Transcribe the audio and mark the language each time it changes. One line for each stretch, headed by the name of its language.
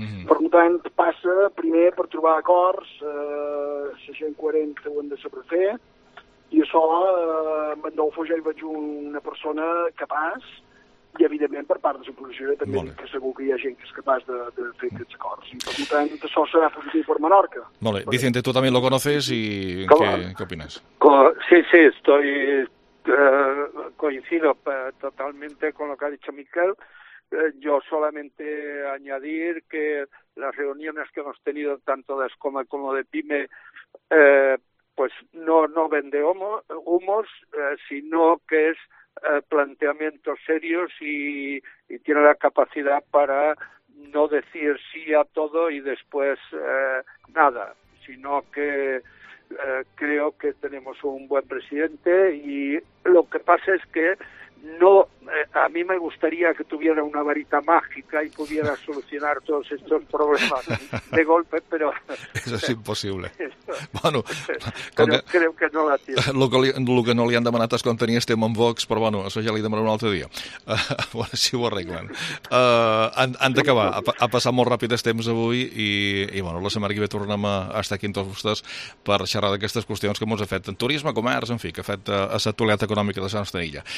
Catalan: Per tant, passa primer per trobar acords, la gent coherent ho han de saber fer, i això, amb en Dolfo ja hi veig una persona capaç, i, evidentment, per part de l'oposició, també que segur que hi ha gent que és capaç de fer aquests acords. I, per tant, això serà positiu per Menorca. Molt bé. Vicente, tu també
Spanish: lo conoces
Catalan: i què opines?
Spanish: Sí, estoy... coincido totalmente con lo que ha dicho Miquel. Yo solamente añadir que las reuniones que hemos tenido tanto de Escoma como de Pyme pues no vende humos, sino que es planteamientos serios y tiene la capacidad para no decir sí a todo y después nada, sino que creo que tenemos un buen presidente y lo que pasa es que no a mí me gustaría que tuviera una varita mágica y pudiera solucionar todos estos problemas de golpe, pero... Eso es imposible. Bueno, creo que no la tiene.
Catalan: Lo que no li han demanat és quan tenia este en Vox, però bueno, això ja li demanaré un altre dia. Bueno, si ho arreglen. Han d'acabar. Ha passat molt ràpid el temps avui i bueno, la setmana que ve tornem a estar aquí en tots vostès per xerrar d'aquestes qüestions que ens ha fet en turisme, comerç, en fi, que ha fet a la toleta econòmica de la nostra illa.